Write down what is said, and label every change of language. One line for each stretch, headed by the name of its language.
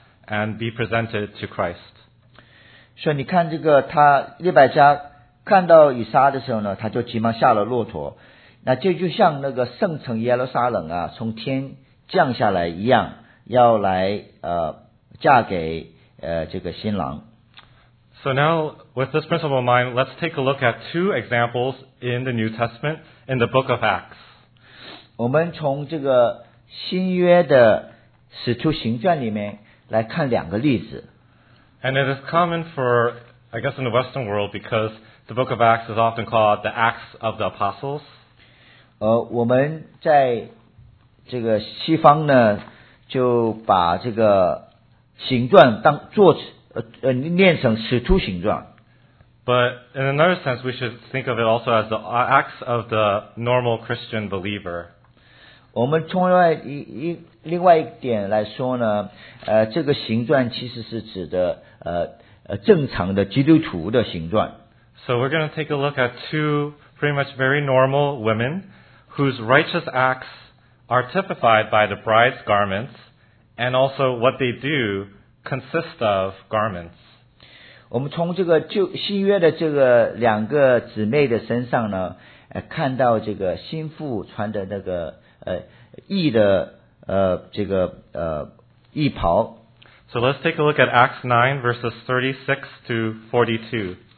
English: And be presented to Christ.
Chinese: So, 你看这个他利百加看到以撒的时候呢，他就急忙下了骆驼。那这就像那个圣城耶路撒冷啊，从天降下来一样，要来嫁给这个新郎。
English: So now, with this principle in mind, let's take a look at two examples in the New Testament in the book of Acts.
Chinese: 我们从这个新约的使徒行传里面来看两个例子。
English: And it is common for, I guess, in the Western world, because the book of Acts is often called the Acts of the Apostles.
Chinese: 我们在这个西方呢，就把这个行传当作念成使徒行传。
English: But in another sense, we should think of it also as the Acts of the normal Christian believer.
Chinese: 我们从另外一点来说呢，这个行传其实是指的正常的基督徒的行传。
English: So we're going to take a look at two pretty much very normal women whose righteous acts are typified by the bride's garments and also what they do consist of garments.
Chinese: 我们从这个旧新约的这个两个姊妹的身上呢，看到这个新妇穿的那个义的这个义袍。
English: So let's take a look at Acts 9 verses 36 to 42.